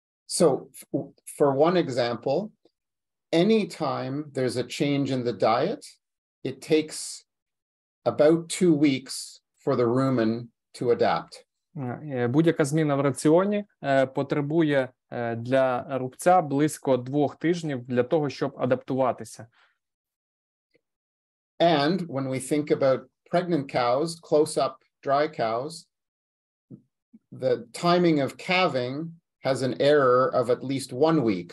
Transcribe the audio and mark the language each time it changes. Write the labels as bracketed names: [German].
[English] So, for one example, anytime there's a change in the diet, it takes about 2 weeks for the rumen to adapt. [Ukrainian] Будь-яка зміна в раціоні потребує для рубця близько 2 тижнів для того, щоб адаптуватися. [English] And when we think about pregnant cows, close-up dry cows, the timing of calving has an error of at least 1 week.